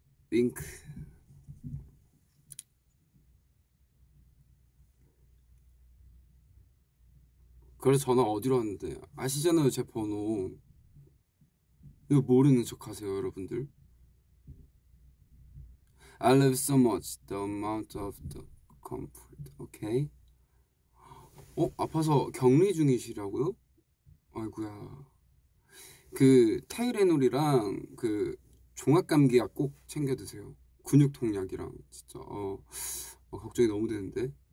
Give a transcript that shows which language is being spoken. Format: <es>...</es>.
<ko>윙크. 그래서 전화 어디로 왔는데 아시잖아요 제 번호. 이거 모르는 척하세요 여러분들.</ko> <en>I love so much the amount of the comfort. Okay.</en> <ko>어, 아파서 격리 중이시라고요? 아이구야. 그 타이레놀이랑 그 종합감기약 꼭 챙겨 드세요. 근육통약이랑 진짜 걱정이 너무 되는데.</ko>